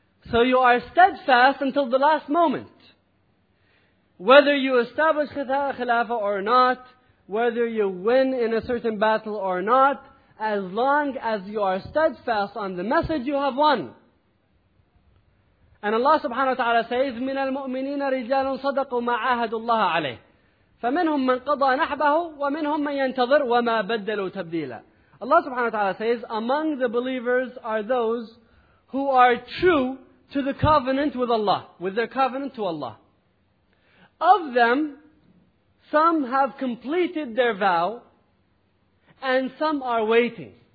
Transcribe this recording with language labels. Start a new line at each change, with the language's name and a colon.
English: So you are steadfast until the last moment. Whether you establish Khilafah or not, whether you win in a certain battle or not, as long as you are steadfast on the message, you have won. And Allah subhanahu wa ta'ala says,
Arabic: مِنَ الْمُؤْمِنِينَ رِجَالٌ صَدَقُوا مَا عَاهَدُوا اللَّهَ عَلَيْهِ فَمِنْهُمْ مَنْ قَضَى نَحْبَهُ وَمِنْهُمْ مَنْ يَنْتَظِرُ وَمَا بَدَّلُوا تَبْدِيلًا.
English: Allah subhanahu wa ta'ala says, among the believers are those who are true to the covenant with Allah, with their covenant to Allah. Of them, some have completed their vow, and some are waiting.